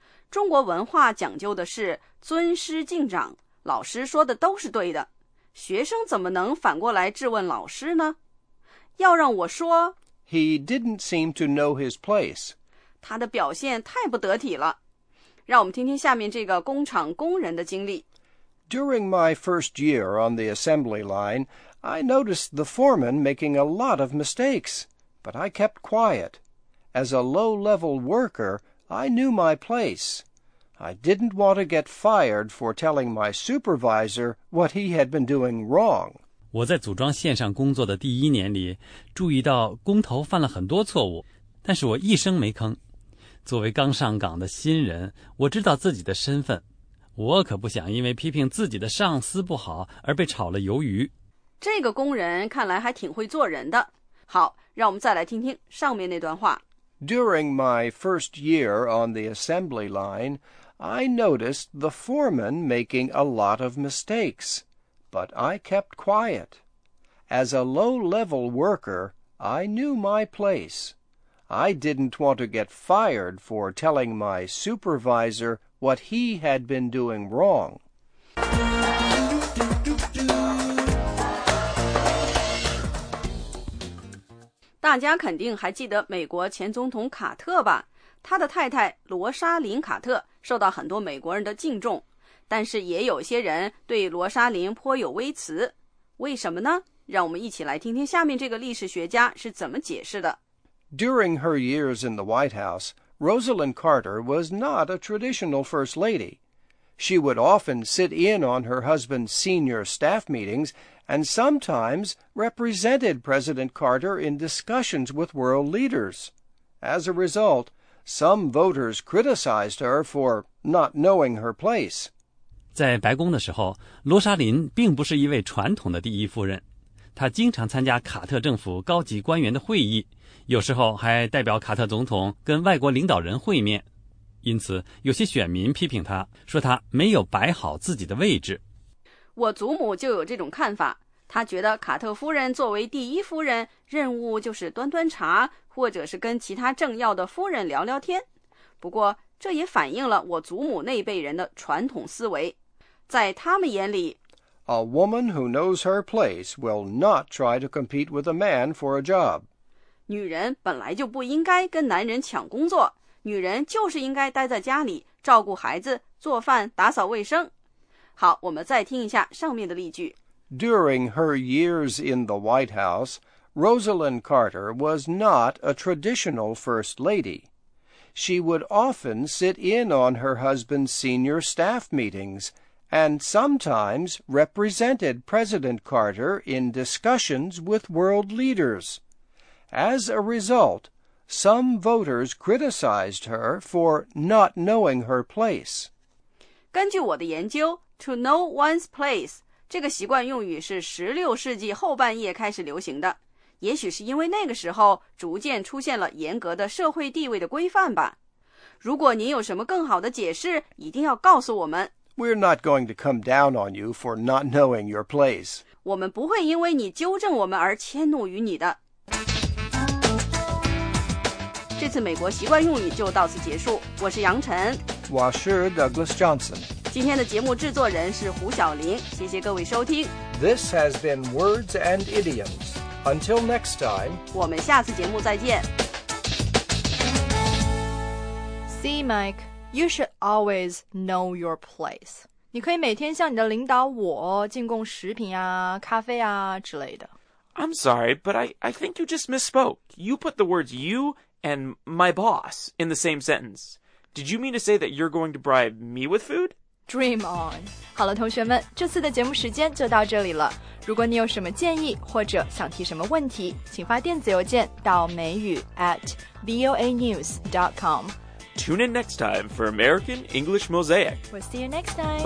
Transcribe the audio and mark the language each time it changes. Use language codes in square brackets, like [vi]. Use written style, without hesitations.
[zh] 中国文化讲究的是尊师敬长，老师说的都是对的，学生怎么能反过来质问老师呢？要让我说， [en] He didn't seem to know his place. [zh] 他的表现太不得体了。让我们听听下面这个工厂工人的经历。 [en] During my first year on the assembly line, I noticed the foreman making a lot of mistakes, but I kept quiet. As a low-level worker, I knew my place. I didn't want to get fired for telling my supervisor what he had been doing wrong. [zh] 我在组装线上工作的第一年里，注意到工头犯了很多错误，但是我一声没吭。作为刚上岗的新人，我知道自己的身份，我可不想因为批评自己的上司不好而被炒了鱿鱼。这个工人看来还挺会做人的。好，让我们再来听听上面那段话。 [en] During my first year on the assembly line, I noticed the foreman making a lot of mistakes, but I kept quiet. As a low-level worker, I knew my place. I didn't want to get fired for telling my supervisor what he had been doing wrong. [zh] 大家肯定还记得美国前总统卡特吧，他的太太罗莎琳卡特受到很多美国人的敬重，但是也有些人对罗莎琳颇有微词。为什么呢？让我们一起来听听下面这个历史学家是怎么解释的。 [en] During her years in the White House, Rosalind Carter was not a traditional first lady. She would often sit in on her husband's senior staff meetings and sometimes represented President Carter in discussions with world leaders. As a result, some voters criticized her for not knowing her place. [zh] 在白宫的时候，罗莎琳并不是一位传统的第一夫人，她经常参加卡特政府高级官员的会议，有时候还代表卡特总统跟外国领导人会面。因此，有些选民批评她，说她没有摆好自己的位置。我祖母就有这种看法，她觉得卡特夫人作为第一夫人，任务就是端端茶，或者是跟其他政要的夫人聊聊天。不过，这也反映了我祖母那辈人的传统思维。在他们眼里， [en] A woman who knows her place will not try to compete with a man for a job. [zh] 女人本来就不应该跟男人抢工作，女人就是应该待在家里，照顾孩子，做饭，打扫卫生。好，我们再听一下上面的例句。 [en] During her years in the White House, Rosalind Carter was not a traditional first lady. She would often sit in on her husband's senior staff meetings and sometimes represented President Carter in discussions with world leaders. As a result, some voters criticized her for not knowing her place. [zh] 根据我的研究， [en] To know one's place [zh] 这个习惯用语是16世纪后半叶开始流行的，也许是因为那个时候逐渐出现了严格的社会地位的规范吧。如果您有什么更好的解释，一定要告诉我们。 [en] We're not going to come down on you for not knowing your place. [zh] 我们不会因为你纠正我们而迁怒于你的。这次美国习惯用语就到此结束，我是杨晨，我是 Douglas Johnson。今天的节目制作人是胡晓玲，谢谢各位收听。 [en] This has been Words and Idioms. Until next time. [zh] 我们下次节目再见。 [en] See, Mike, you should always know your place. [zh] 你可以每天向你的领导我进贡食品啊、咖啡啊之类的。 [en] I'm sorry, but I think you just misspoke. You put the words you and my boss in the same sentence. Did you mean to say that you're going to bribe me with food? Dream on. [zh] 好了，同学们，这次的节目时间就到这里了。如果你有什么建议或者想提什么问题，请发电子邮件到美语@voanews.com. [en] Tune in next time for American English Mosaic. We'll see you next time.